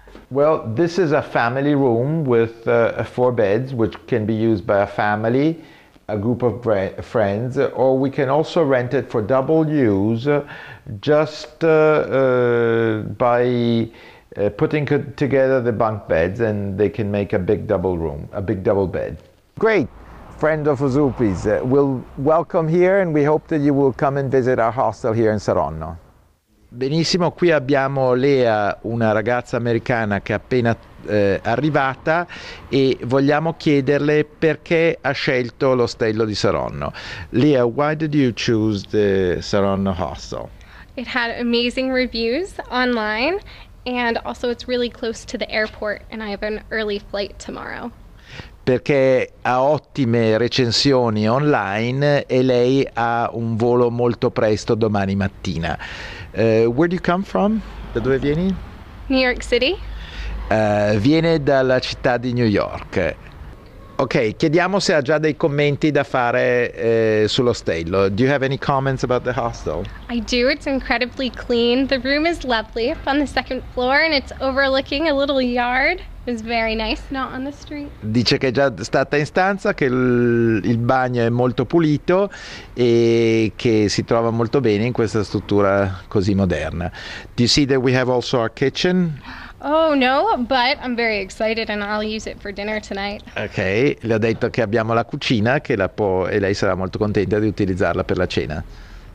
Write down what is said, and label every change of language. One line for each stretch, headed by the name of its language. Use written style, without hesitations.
English: Well, this is a family room with 4 beds, which can be used by a family, a group of friends, or we can also rent it for double use just by putting together the bunk beds, and they can make a big double room, a big double bed. Great. Friend of Uzupis, we'll welcome here and we hope that you will come and visit our hostel here in Saronno.
Italian: Benissimo, qui abbiamo Lea, una ragazza americana che è appena arrivata e vogliamo chiederle perché ha scelto l'ostello di Saronno.
English: Lea, why did you choose the Saronno hostel? It had amazing reviews online and also it's really close to the airport and I have an early flight tomorrow.
Italian: Perché ha ottime recensioni online e lei ha un volo molto presto domani mattina.
English: Where do you come from?
Italian: Da dove vieni?
English: New York City.
Italian: Viene dalla città di New York. Ok, chiediamo se ha già dei commenti da fare sull'ostello.
English: Do you have any comments about the hostel? I do, it's incredibly clean. The room is lovely, up on the second floor and it's overlooking a little yard. It's very nice, not on the street.
Italian: Dice che è già stata in stanza, che il bagno è molto pulito e che si trova molto bene in questa struttura così moderna.
English: Do you see that we have also our kitchen? Oh no, but I'm very excited and I'll use it for dinner tonight.
Italian: Okay, le ho detto che abbiamo la cucina che la può, e lei sarà molto contenta di utilizzarla per la cena.